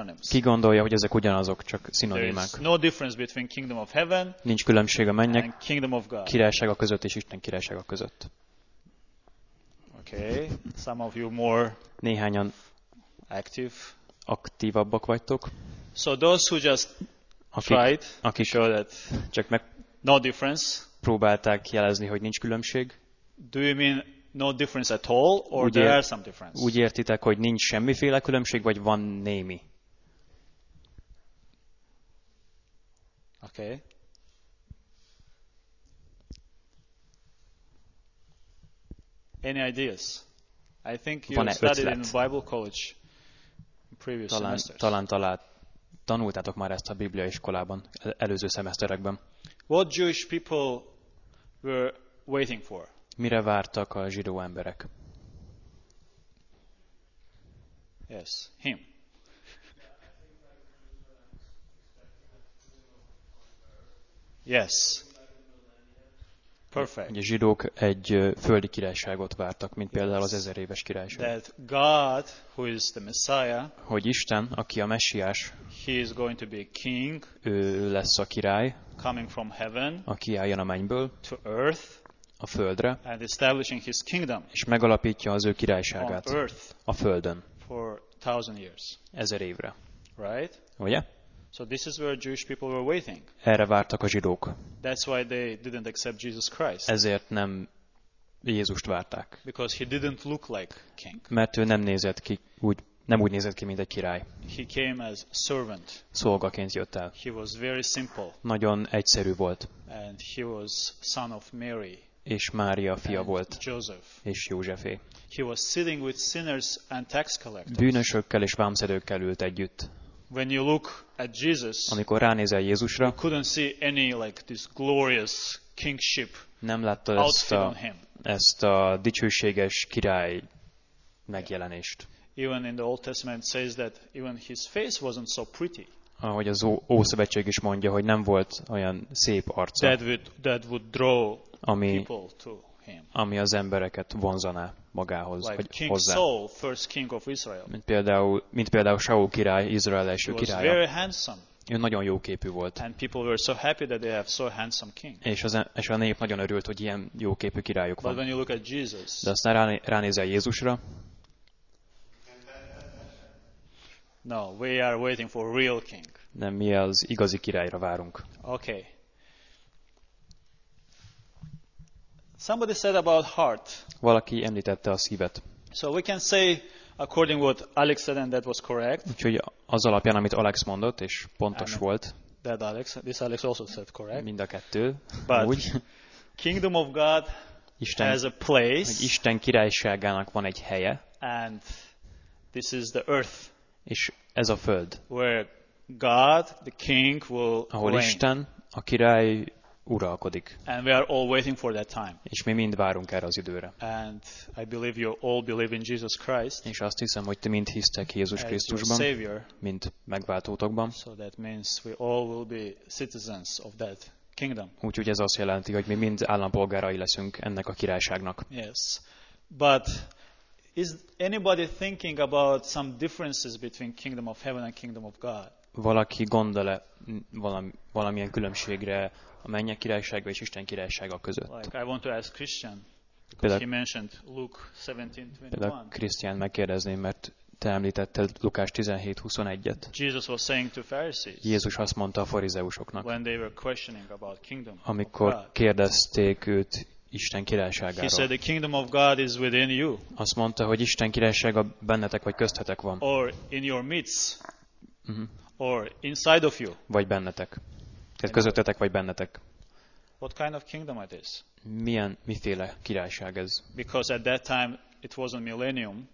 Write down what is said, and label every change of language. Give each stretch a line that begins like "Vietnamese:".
Hungarian: Ki gondolja, hogy ezek ugyanazok, csak szinonimák?
English: There is no difference between kingdom of heaven.
Hungarian: Nincs különbség a mennyek
English: and kingdom of God.
Hungarian: Királysága között és Isten királysága között.
English: Okay, some of you more.
Hungarian: Néhányan
English: active.
Hungarian: Aktívabbak vagytok.
English: So those who just tried,
Hungarian: akik
English: show that
Hungarian: csak meg
English: no difference.
Hungarian: Próbálták jelezni, hogy nincs különbség.
English: Do you mean no difference at all, or there are some difference?
Hungarian: Úgy értitek, hogy nincs semmiféle különbség, vagy van némi?
English: Okay. Any ideas? I think you studied in Bible college previous semesters.
Hungarian: Talán tanultátok már ezt a Biblia iskolában előző szemeszterekben.
English: What Jewish people were waiting for?
Hungarian: Mire vártak a zsidó emberek?
English: Yes, him. Yes. Perfect.
Hungarian: A zsidók egy földi királyságot vártak, mint például az 1000 éves királyság.
English: That God, who is the Messiah,
Hungarian: hogy Isten, aki a Messiás,
English: he is going to be king,
Hungarian: ő lesz a király,
English: coming from heaven,
Hungarian: aki eljön a mennyből,
English: to earth,
Hungarian: a földre,
English: and establishing his kingdom,
Hungarian: és megalapítja az ő királyságát
English: on earth,
Hungarian: a földön,
English: for 1000 years.
Hungarian: 1000 évre.
English: Right?
Hungarian: Ugye?
English: So this is where Jewish people were waiting.
Hungarian: Erre vártak a zsidók.
English: That's why they didn't accept Jesus Christ.
Hungarian: Ezért nem Jézust várták.
English: Because he didn't look like king.
Hungarian: Mert ő nem nézett ki úgy, mint egy király.
English: He came as servant.
Hungarian: Szolgaként jött el.
English: He was very simple.
Hungarian: Nagyon egyszerű volt.
English: And he was son of Mary.
Hungarian: És Mária fia
English: and
Hungarian: volt.
English: Joseph.
Hungarian: És Józsefé.
English: He was sitting with sinners and tax collectors.
Hungarian: Bűnösökkel és vámszedőkkel ült együtt.
English: When you look at Jesus,
Hungarian: amikor ránézel Jézusra,
English: you couldn't see any like this glorious kingship.
Hungarian: Nem láttad ezt a dicsőséges király megjelenést.
English: Even in the Old Testament says that even his face wasn't so pretty.
Hungarian: Ahogy az Ószövetség is mondja, hogy nem volt olyan szép arca.
English: That would draw people to him.
Hungarian: Ami az embereket vonzaná magához,
English: like
Hungarian: vagy
English: king
Hungarian: hozzá.
English: Saul, first king of Israel.
Hungarian: Mint például Saul király, Izrael első királya.
English: Very handsome.
Hungarian: Ő nagyon jó képű volt.
English: And people were so happy that they have so handsome king.
Hungarian: És a nép nagyon örült, hogy ilyen jó képű királyuk van.
English: But when you look at Jesus,
Hungarian: de aztán ránézel Jézusra.
English: No, we are waiting for real king.
Hungarian: Nem, mi az igazi királyra várunk.
English: Okay. Somebody said about heart.
Hungarian: Valaki említette a szívet.
English: So we can say according what Alex said and that was correct.
Hungarian: Úgyhogy az alapján, amit Alex mondott, és pontos
English: and
Hungarian: volt.
English: That Alex, this Alex also said correct.
Hungarian: Mind a kettő.
English: But
Hungarian: úgy.
English: Kingdom of God
Hungarian: Isten,
English: has a place.
Hungarian: Isten királyságának van egy helye.
English: And this is the earth.
Hungarian: És ez a föld.
English: Where God, the king, will
Hungarian: ahol
English: reign.
Hungarian: Isten, a király uralkodik.
English: And we are all waiting for that time.
Hungarian: És mi mind várunk erre az időre.
English: And I believe you all believe in Jesus Christ.
Hungarian: És azt hiszem, hogy ti mind hisztek Jézus Krisztusban,
English: Savior,
Hungarian: mint megváltótokban.
English: So that means we all will be citizens of that kingdom.
Hungarian: Úgyhogy ez azt jelenti, hogy mi mind állampolgárai leszünk ennek a királyságnak.
English: Yes. But is anybody thinking about some differences between kingdom of heaven and kingdom of God?
Hungarian: Valaki gondol-e valamilyen különbségre a mennyek királysága és Isten királysága között?
English: Like I want to ask Christian, because he mentioned Luke 17:21.
Hungarian: Például Christian megkérdezni, mert te említetted Lukás 17:21-et.
English: Jesus was saying to Pharisees.
Hungarian: Jézus azt mondta a farizeusoknak.
English: When they were questioning about kingdom of God.
Hungarian: Amikor kérdezték őt Isten királyságáról.
English: He said the kingdom of God is within you.
Hungarian: Azt mondta, hogy Isten királysága bennetek vagy köztetek van.
English: Or in your midst. Or inside of you.
Hungarian: Vagy bennetek. Tehát közöttetek vagy bennetek.
English: What kind of kingdom it is?
Hungarian: Miféle királyság ez?
English: Because at that time it wasn't millennium.